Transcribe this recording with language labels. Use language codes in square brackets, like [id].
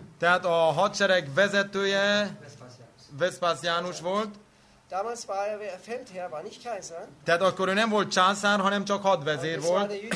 [hu] Tehát a hadsereg vezetője Vespasianus volt. [de] Damals war er Feldherr, war nicht Kaiser. [hu] Tehát akkor ő nem volt császár, hanem csak hadvezér volt.